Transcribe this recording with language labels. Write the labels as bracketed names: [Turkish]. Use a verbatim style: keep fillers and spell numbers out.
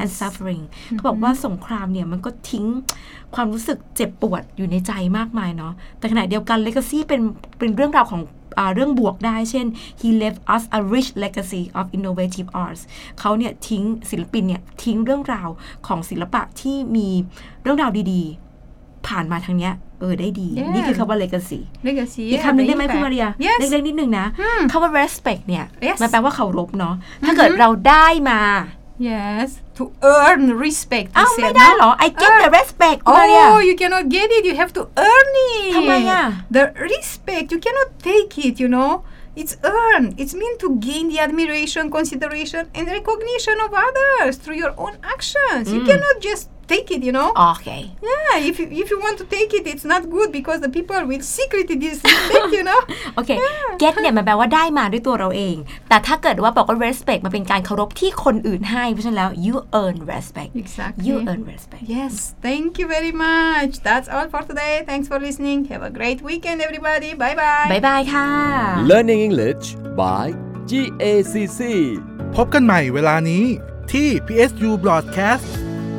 [English] and suffering [Thai] เขาบอกว่าสงครามเนี่ยมันก็ทิ้งความรู้สึกเจ็บปวดอยู่ในใจมากมายเนาะแต่ขณะเดียวกัน legacy เป็นเป็นเรื่องราวของเรื่องบวกได้เช่น [English] he left us a rich legacy of innovative arts [Thai] เขาเนี่ยทิ้งศิลปินเนี่ยทิ้งเรื่องราวของศิลปะที่มีเรื่องราวดีๆผ่านมาทางเนี้ยเออได้ดี [English] yeah. [Thai] นี่คือคำว่า legacy [English] legacy [Thai] อีกคำนึงได้ไหมคุณมาเรียเล็กๆนิดนึงนะคำว่า respect เนี่ย [English] yes. [Thai] มันแปลว่าเคารพเนาะถ้าเกิดเราได้มา [English] yes to earn respect [Thai] อ้าวไม่ได้เหรอ [English] I get the respect [Thai] คุณมาเรีย [English] oh you cannot get it you have to earn it [Thai] ทำไมอ่ะ [English] the respect you cannot take it you know it's earned it's meant to gain the admiration consideration and recognition of others through your own actions you cannot just take it you know okay yeah if you, if you want to take it it's not good because the people will secretly disrespect you know okay yeah. [Thai] get เนี่ยมันแปลว่าได้มาด้วยตัวเราเองแต่ถ้าเกิดว่าบอกว่า respect มันเป็นการเคารพที่คนอื่นให้เพราะฉะนั้นแล้ว [English] you earn respect exactly you earn respect yes thank you very much that's all for today thanks for listening have a great weekend everybody bye bye bye bye ค่ะ learning english by จี เอ ซี ซี [Thai] พบกันใหม่เวลานี้ที่ พี เอส ยู Broadcast